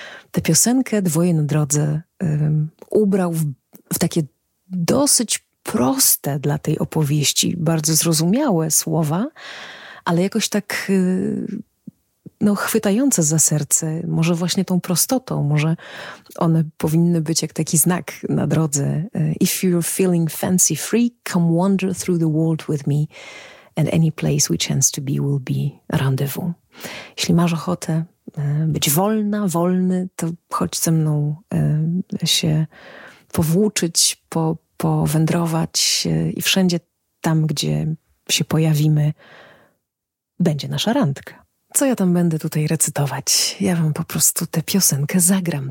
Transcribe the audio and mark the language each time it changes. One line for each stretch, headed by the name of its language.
Polish: Tę piosenkę Dwoje na drodze ubrał w takie dosyć proste dla tej opowieści, bardzo zrozumiałe słowa, ale jakoś tak chwytające za serce, może właśnie tą prostotą, może one powinny być jak taki znak na drodze.
English: If you're feeling fancy free, come wander through the world with me and any place we chance to be will be rendezvous.
Polish: Jeśli masz ochotę być wolna, wolny, to chodź ze mną się powłóczyć, powędrować i wszędzie tam, gdzie się pojawimy, będzie nasza randka. Co ja tam będę tutaj recytować? Ja wam po prostu tę piosenkę zagram.